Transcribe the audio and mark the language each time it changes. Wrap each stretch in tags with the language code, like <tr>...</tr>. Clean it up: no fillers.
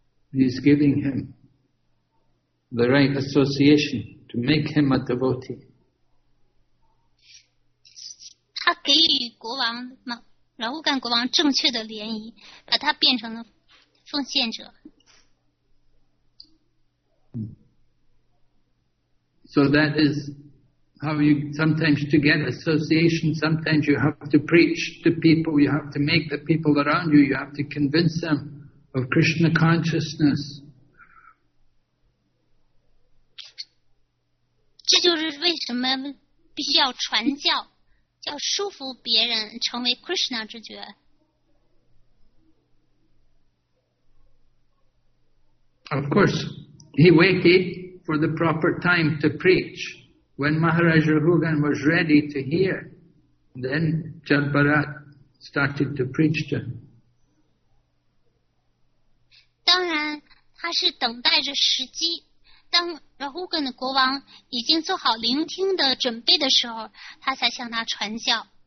<en>He's giving him the right association to make him a devotee.</en> <zh>他给予国王马拉胡干国王正确的联谊，把他变成了奉献者。</zh> <en>So that is how you sometimes to get association. Sometimes you have to preach to people. You have to make the people around you. You have to convince them of Krishna consciousness.</en> <zh>这就是为什么必须要传教，要说服别人成为 Krishna 之觉。</zh> <en>Of course, he waited. For the proper time to preach. When Maharaj Rahugan was ready to hear, then Jad Bharat started to preach to him.</en> <zh>当然他是等待着时机，当 Rahugan 的国王已经做好聆听的准备的时候，他才向他传教。</zh>